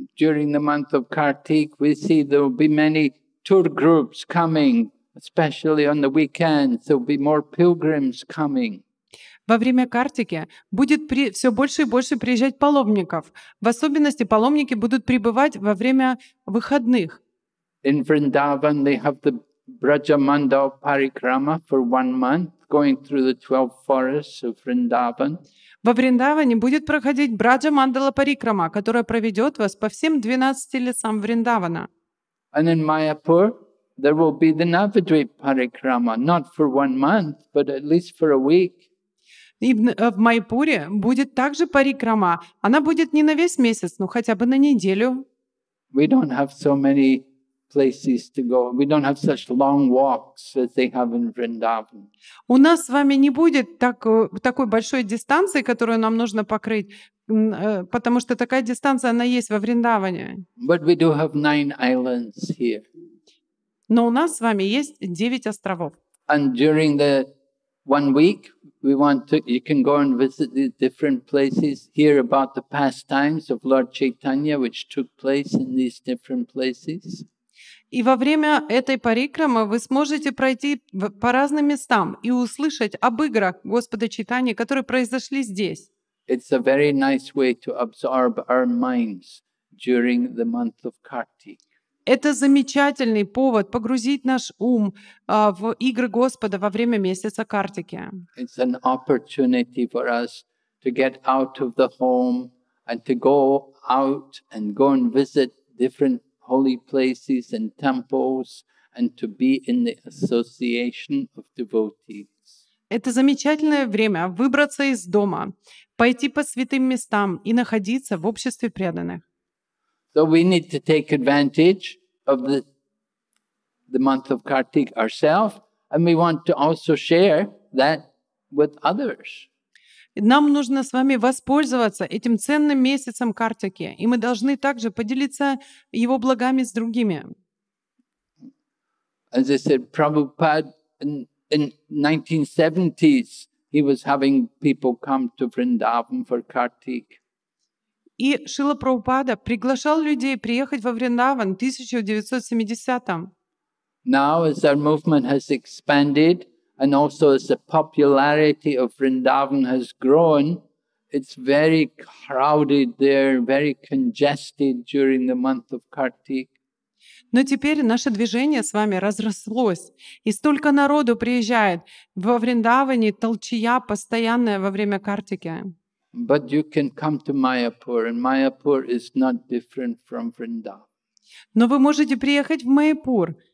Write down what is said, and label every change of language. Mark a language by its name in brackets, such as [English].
[English] During the month of Kartik, we see there will be many tour groups coming, especially on the weekends. There will be more pilgrims coming. [Russian] во время Картики будет все больше и больше приезжать паломников. В особенности паломники будут прибывать во время выходных. [English] In Vrindavan they have the Brajamandal Parikrama for one month, going through the 12 forests of Vrindavan. [Russian] Во Вриндаване будет проходить Брадж-мандала Парикрама, которая проведет вас по всем 12 лесам Вриндавана. [English] And in Mayapur there will be the Navadvip Parikrama, not for one month, but at least for a week. [Russian] И в Майпуре будет также Парикрама. Она будет не на весь месяц, но хотя бы на неделю. [English] We don't have so many places to go. We don't have such long walks as they have in Vrindavan. [Russian] У нас с вами не будет такой большой дистанции, которую нам нужно покрыть, потому что такая дистанция она есть во Вриндаване. [English] But we do have 9 islands here. [Russian] Но у нас с вами есть 9 островов. [English] And during the one week we want to, you can go and visit the different places, hear about the pastimes of Lord Chaitanya, which took place in these different places. [Russian] И во время этой парикрамы вы сможете пройти по разным местам и услышать об играх Господа Чайтаньи, которые произошли здесь. [English] It's a very nice way to absorb our minds during the month of Kartik. [Russian] Это замечательный повод погрузить наш ум в игры Господа во время месяца Картики. [English] It's an opportunity for us to get out of the home and to go out and go and visit different holy places and temples, and to be in the association of devotees. [Russian] Это замечательное время выбраться из дома, пойти по святым местам и находиться в обществе преданных. [English] So we need to take advantage of the month of Kartik ourselves, and we want to also share that with others. [Russian] Нам нужно с вами воспользоваться этим ценным месяцем Картики, и мы должны также поделиться его благами с другими. [English] As I said, Prabhupada in 1970s he was having people come to Vrindavan for Kartik. [Russian] И Шрила Прабхупада приглашал людей приехать во Вриндаван в 1970-м. [English] Now as our movement has expanded, and also as the popularity of Vrindavan has grown, it's very crowded there, very congested during the month of Kartik. [Russian] Но теперь наше движение с вами разрослось, и столько народу приезжает во Вриндаване, толчья постоянная во время Картики. [English] But you can come to Mayapur, and Mayapur is not different from Vrindavan. [Russian] Но вы можете приехать в Майпур.